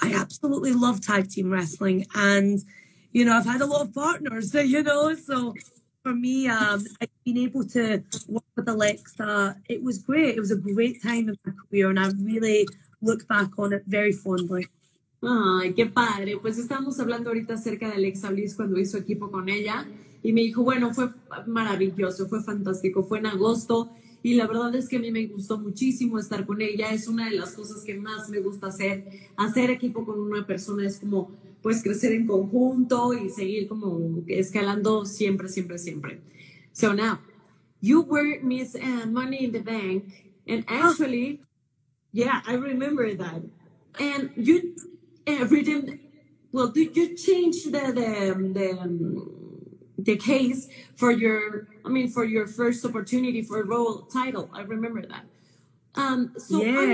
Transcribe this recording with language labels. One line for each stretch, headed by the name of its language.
English: I absolutely love tag team wrestling, and you know, I've had a lot of partners, so, you know, so for me, I've been able to work with Alexa. It was great. It was a great time in my career, and I really look back on it very fondly.
Spanish: Ay, qué padre. Pues estábamos hablando ahorita acerca de Alexa Bliss cuando hizo equipo con ella, y me dijo, bueno, fue maravilloso, fue fantástico, fue en agosto, y la verdad es que a mí me gustó muchísimo estar con ella. Es una de las cosas que más me gusta hacer. Hacer equipo con una persona es como, pues, crecer en conjunto y seguir como escalando siempre, siempre, siempre.
English: So now, you were Miss Money in the Bank, and actually, yeah, I remember that. And you redeemed, well, did you change the case for your, I mean, for your first opportunity for a Royal title? I remember that. So yeah.